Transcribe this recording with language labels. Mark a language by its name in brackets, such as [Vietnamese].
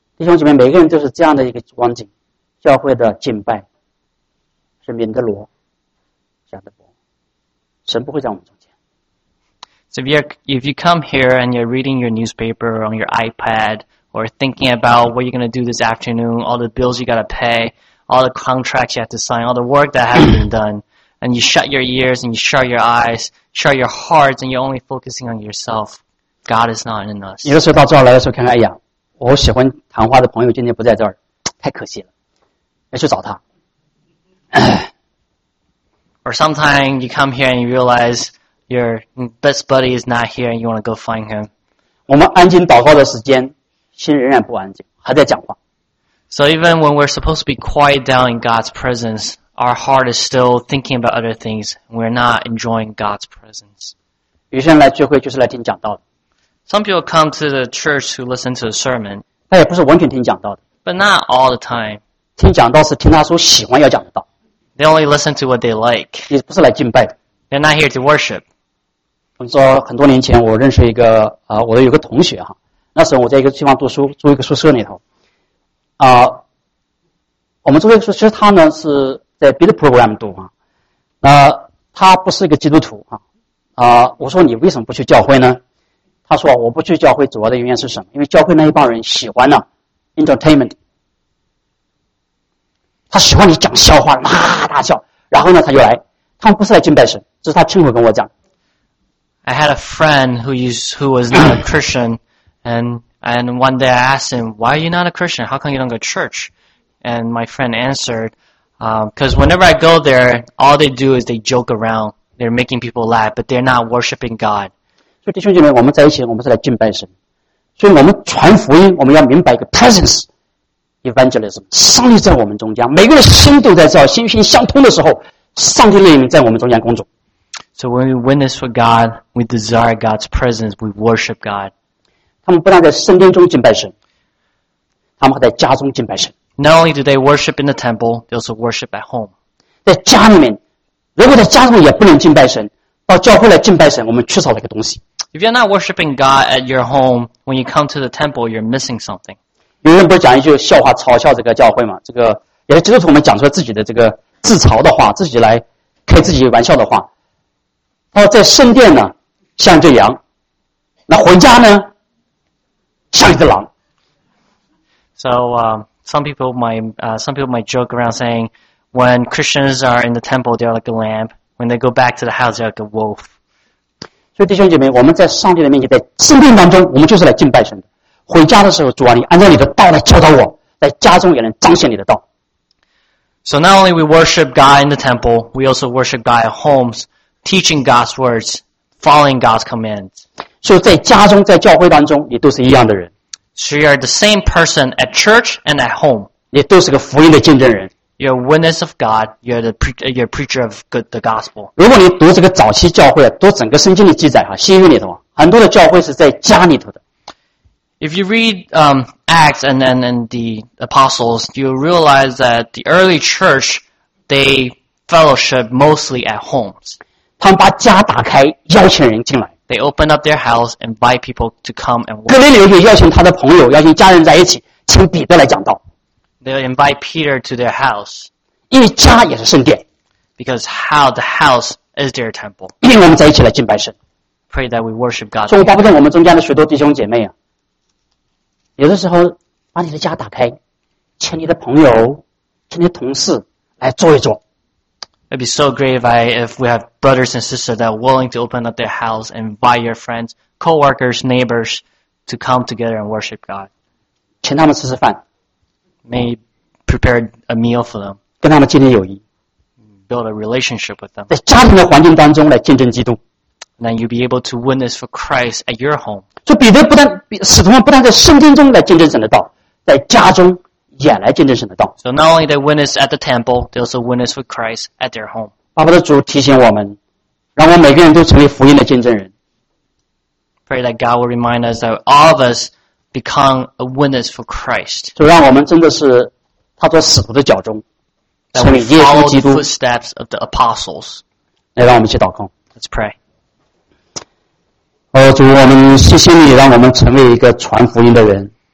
[Chinese] 弟兄姐妹，每个人都是这样的一个光景，教会的敬拜是免得罗讲的，神不会在我们中。 [English] So if you come here and you're reading your newspaper or on your iPad or thinking about what you're going to do this afternoon, all the bills you got to pay, all the contracts you have to sign, all the work that hasn't been done, and you shut your ears and you shut your eyes, shut your hearts, and you're only focusing on yourself, God is not in us. [Chinese] 有的时候到这儿来的时候看看，哎呀，我喜欢谈话的朋友今天不在这儿，太可惜了，要去找他。 [English] Or sometimes you come here and you realize,Your best buddy is not here, and you want to go find him. [Chinese] 我们安静祷告的时间，心仍然不安静，还在讲话。 [English] So even when we're supposed to be quiet down in God's presence, our heart is still thinking about other things. We're not enjoying God's presence. [Chinese] 有些人来聚会就是来听讲道的。 [English] Some people come to the church to listen to a sermon. [Chinese] 他也不是完全听讲道的。 [English] But not all the time. [Chinese] 听讲道是听他所喜欢要讲的道。 [English] They only listen to what they like. [Chinese] 也不是来敬拜的。 [English] They're not here to worship. [Chinese] 我说很多年前我认识一个我有一个同学哈，那时候我在一个地方读书，住一个宿舍里头。我们住一个宿舍，他呢是在 Bid Program 读啊。他不是一个基督徒啊。我说你为什么不去教会呢？他说我不去教会主要的原因是什么？因为教会那一帮人喜欢呢 entertainment， 他喜欢你讲笑话，哇大笑，然后呢他就来，他们不是来敬拜神，这是他亲口跟我讲。 [English] I had a friend who was not a Christian, and one day I asked him, "Why are you not a Christian? How come you don't go to church?" And my friend answered, "Because whenever I go there, all they do is they joke around. They're making people laugh, but they're not worshiping God." [Chinese] 所以弟兄姐妹，我们在一起，我们是来敬拜神。所以我们传福音，我们要明白一个 presence evangelism， 上帝在我们中间，每个人心都在这，心心相通的时候，上帝的灵在我们中间工作。 [English] So when we witness for God, we desire God's presence, we worship God. [Chinese] 他们不但在圣殿中敬拜神，他们还在家中敬拜神。 [English] Not only do they worship in the temple, they also worship at home. [Chinese] 在家里面，如果在家中也不能敬拜神，到教会来敬拜神，我们缺少了一个东西。 [English] If you're not worshiping God at your home, when you come to the temple, you're missing something. [Chinese] 有人不是讲一句笑话嘲笑这个教会吗？这个也是基督徒们讲出了自己的这个自嘲的话，自己来开自己玩笑的话。他在圣殿呢像只羊，那回家呢像一只狼。 [English] So, some people might joke around saying, when Christians are in the temple, they're like a lamb. When they go back to the house, they're like a wolf. [Chinese] 所以弟兄姐妹，我们在上帝的面前，在圣殿当中，我们就是来敬拜神的。回家的时候，主啊，你按照你的道来教导我，在家中也能彰显你的道。 [English] So not only we worship God in the temple, we also worship God at homes. Teaching God's words, following God's commands. [Chinese] 所以在家中，在教会当中，你都是一样的人。 [English] So you are the same person at church and at home. [Chinese] 你都是个福音的见证人。 [English] You're a witness of God. You're a preacher of the gospel. [Chinese] 如果你读这个早期教会，读整个圣经的记载，新约里头，很多的教会是在家里头的。 [English] If you read Acts and the apostles, you realize that the early church they fellowship mostly at homes. [Chinese] 他们把家打开，邀请人进来。 [English] They open up their house and invite people to come and worship. [Chinese] 哥林流也邀请他的朋友，邀请家人在一起，请彼得来讲道。 [English] They invite Peter to their house. [Chinese] 因为家也是圣殿。 [English] Because how the house is their temple. [Chinese] 因为我们在一起来敬拜神。 [English] Pray that we worship God. [Chinese] 所以我巴不得我们中间的许多弟兄姐妹啊，有的时候把你的家打开，请你的朋友，请你的同事来坐一坐。 [English] It'd be so great if we have brothers and sisters that are willing to open up their house and invite your friends, co-workers, neighbors to come together and worship God. [Chinese] 请他们吃吃饭。 [English] May prepare a meal for them. [Chinese] 跟他们建立友谊。 [English] Build a relationship with them. [Chinese] 在家庭的环境当中来见证基督。 [English] And then you'll be able to witness for Christ at your home. [Chinese] 所以彼得不但使徒们不但在圣经中来见证神的道，在家中也来见证神的道。 [English] So not only they witness at the temple, they also witness for Christ at their home. [Chinese] 巴不得主提醒我们，让我们每个人都成为福音的见证人。 [English] Pray that God will remind us that all of us become a witness for Christ. [Chinese] 就让我们真的是踏着使徒的脚中，成为耶稣基督。 [English] The footsteps of the apostles. [Chinese] 来，让我们一起祷告。 [English] Let's pray. [Chinese] 哦，主，我们谢谢你，让我们成为一个传福音的人。